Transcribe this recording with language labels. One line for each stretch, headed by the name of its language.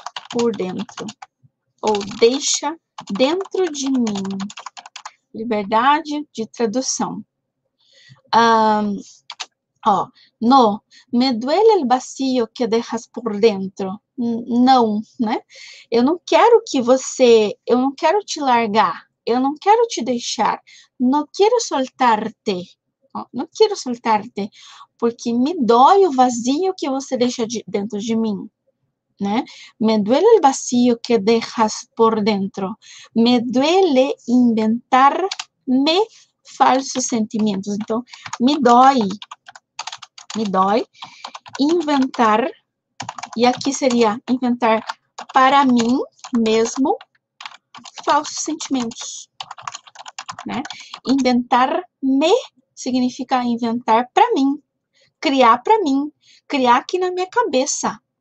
Portuguese: Por dentro, ou deixa dentro de mim, liberdade de tradução.
Spanish: No, me duele el vacío que dejas por dentro.
Portuguese: Não, né? Eu não quero que você, eu não quero te largar, eu não quero te deixar,
Spanish: no quiero soltarte,
Portuguese: não quero soltarte, porque me dói o vazio que você deixa dentro de mim. Né?
Spanish: Me duele el vacío que dejas por dentro. Me duele inventarme falsos sentimientos.
Portuguese: Então, me dói inventar, e aqui seria inventar para mim mesmo falsos sentimentos. Né? Inventar-me significa inventar para mim, criar para mim, criar aqui na minha cabeça.